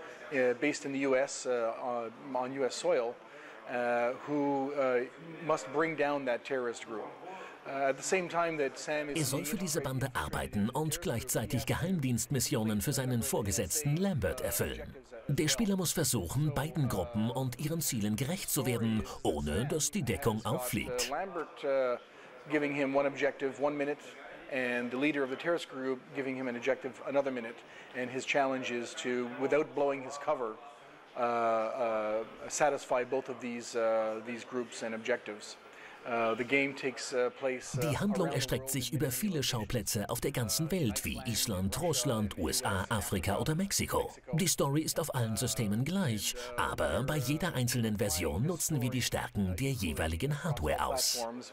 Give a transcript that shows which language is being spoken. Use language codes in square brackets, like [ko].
[de] Er soll für diese Bande arbeiten und gleichzeitig Geheimdienstmissionen für seinen Vorgesetzten Lambert erfüllen. Der Spieler muss versuchen, beiden Gruppen und ihren Zielen gerecht zu werden, ohne dass die Deckung auffliegt. [en] Lambert giving him one objective, 1 minute, and the leader of the terrorist group giving him an objective, another minute, and his challenge is to, without blowing his cover, satisfy both of these groups and objectives. [de] Die Handlung erstreckt sich über viele Schauplätze auf der ganzen Welt, wie Island, Russland, USA, Afrika oder Mexiko. Die Story ist auf allen Systemen gleich, aber bei jeder einzelnen Version nutzen wir die Stärken der jeweiligen Hardware aus.